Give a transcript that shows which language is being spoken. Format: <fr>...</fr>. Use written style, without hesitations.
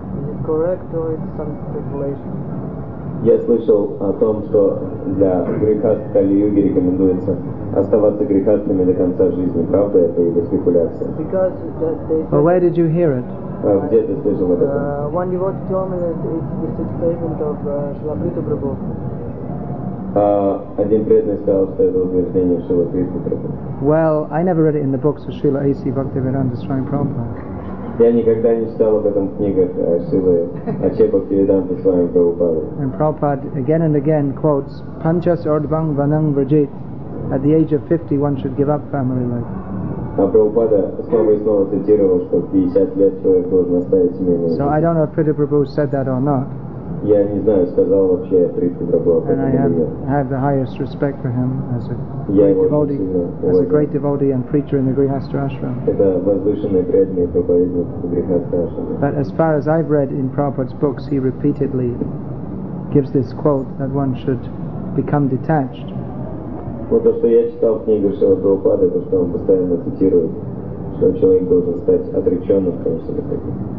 <en>Is it correct or is it some speculation?</en> <ru>Я слышал о том, что для Грихастх Кали Юги рекомендуется оставаться Грихастхами до конца жизни. Правда это или спекуляция?</ru> <en>Because that they said. Well, where did you hear it?</en> <ru>Где ты слышал об этом?</ru> <en>One devotee told me that it's the statement of Śrīla Prīta Prabhu.</en> <ru>Один преданный сказал, что это утверждение Шрила Кришна Прабху.</ru> <en>Well, I never read it in the books of Srila A.C. Bhaktivedanta Swami Prabhupada.</en> <ru>Я никогда не читал об этом в книгах Шрила А.Ч. Бхактивиданта Свами Прабхупады.</ru> <en>And Prabhupada again and again quotes Panchas Ordvang Vanang Vrajit. At the age of 50 one should give up family life.</en> <ru>А Прабхупада снова и снова цитировал, что 50 лет человек должен оставить семейную жизнь.</ru> <en>So I don't know if Prita Prabhu said that or not.</en> <ru>Я не знаю, сказал вообще Прита Прабху об этом.</ru> <en>And I have the highest respect for him as a great devotee, as a great devotee and preacher in the Grihastha ashram.</en> <ru>Это возвышенный преданный проповедник в Грихастха ашраме.</ru> <en>But as far as I've read in Prabhupada's books, he repeatedly gives this quote that one should become detached.</en> <ru>Вот то, что я читал в книге Шрила Прабхупады, то, что он постоянно цитирует, что человек должен стать отреченным, конечно же, таким.</ru>